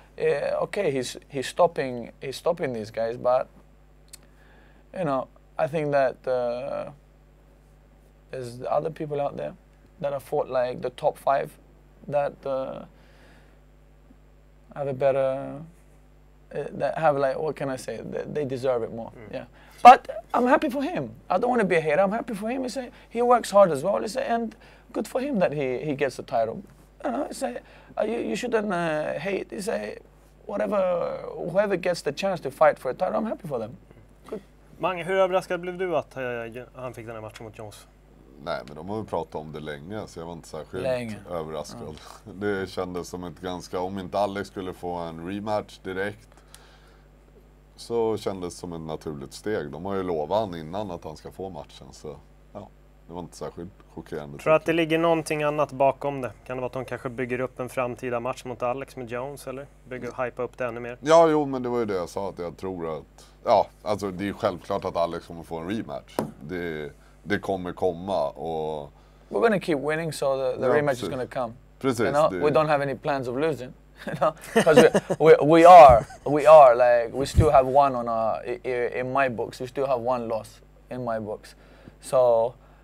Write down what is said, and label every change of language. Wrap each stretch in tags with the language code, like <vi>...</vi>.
<en>Yeah, okay, he's stopping these guys, but you know, I think that there's other people out there that have fought like the top five that have a better that have like, what can I say, they deserve it more. Mm. Yeah, but I'm happy for him. I don't want to be a hater. I'm happy for him. He works hard as well. And good for him that he gets the title. You know, you shouldn't hate. Whoever gets the chance to fight for a title, I'm happy for them.</en> <sv>Mange, hur överraskad blev du att han fick den här matchen mot Jones? Nej, men de har ju pratat om det länge, så jag var inte särskilt överraskad. Ja. Det kändes som ett ganska, om inte Alex skulle få en rematch direkt, så kändes som ett naturligt steg. De har ju lovat han innan att han ska få matchen, så ja, det var inte särskilt chockerande. Tror du att det ligger någonting annat bakom det? Kan det vara att de kanske bygger upp en framtida match mot Alex med Jones, eller bygger och hypa upp det ännu mer? Ja, jo, men det var ju det jag sa, att jag tror att... Ja, alltså det är självklart att Alex kommer få en rematch. Det kommer komma, och...</sv> <en>We're gonna keep winning, so the rematch is gonna come.</en> <sv>Precis.</sv> <en>You know? We don't have any plans of losing. Because we are, like, we still have one on our... In my books, we still have one loss in my books. So...</en>